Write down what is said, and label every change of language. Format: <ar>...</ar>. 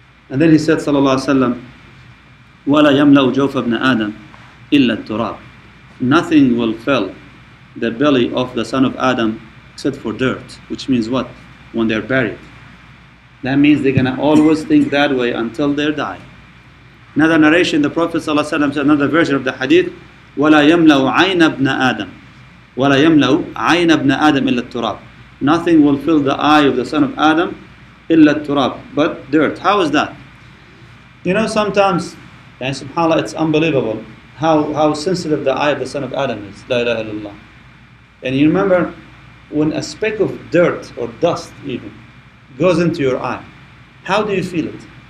<en>And then he said, sallallahu alaihi wasallam,</en> <ar>وَلَا يَمْلَأُ جَوْفَ ابْنَ آدَمْ إِلَّا التُّرَابِ.</ar> <en>Nothing will fill the belly of the son of Adam except for dirt. Which means what? When they're buried. That means they're going to always think that way until they die. Another narration, the Prophet ﷺ said, another version of the hadith,</en> <ar>وَلَا يَمْلَوْ عَيْنَ ابْنَ آدَمْ وَلَا يَمْلَوْ عَيْنَ ابْنَ آدَمْ إِلَّا التُّرَابِ.</ar> <en>Nothing will fill the eye of the son of Adam</en> <ar>إِلَّا التُّرَابِ,</ar> <en>but dirt. How is that? You know, sometimes, and subhanAllah, it's unbelievable how sensitive the eye of the son of Adam is. La ilaha illallah. And you remember, when a speck of dirt or dust even goes into your eye, how do you feel it?</en>